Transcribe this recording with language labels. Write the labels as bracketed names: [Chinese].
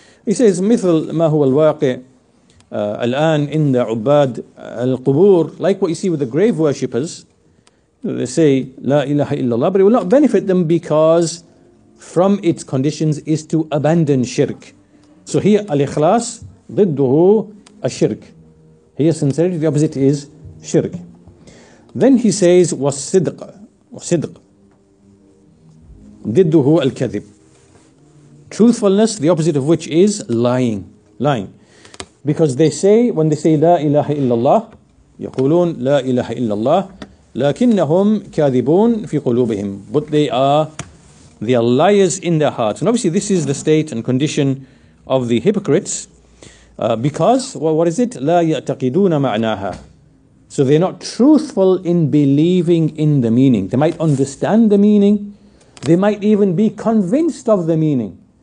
[English] He says, [Arabic] مثل ما هو الواقع الآن عند عباد القبور, [English] like what you see with the grave worshippers, they say la ilaha illallah, but it will not benefit them because from its conditions is to abandon shirk. So here, al-ikhlas [Arabic] ضده الشرك. [English] Here, sincerity, the opposite is shirk. Then he says, [Arabic] والصدق, والصدق ضده الكذب. [English] Truthfulness, the opposite of which is lying. Lying. Because they say, when they say, [Arabic] لا إله إلا الله, يقولون لا إله إلا الله, لكنهم كاذبون في قلوبهم. [English] But they are liars in their hearts. And obviously this is the state and condition of the hypocrites. What is it? [Arabic] لا يعتقدون معناها. [English] So they're not truthful in believing in the meaning. They might understand the meaning. They might even be convinced of the meaning.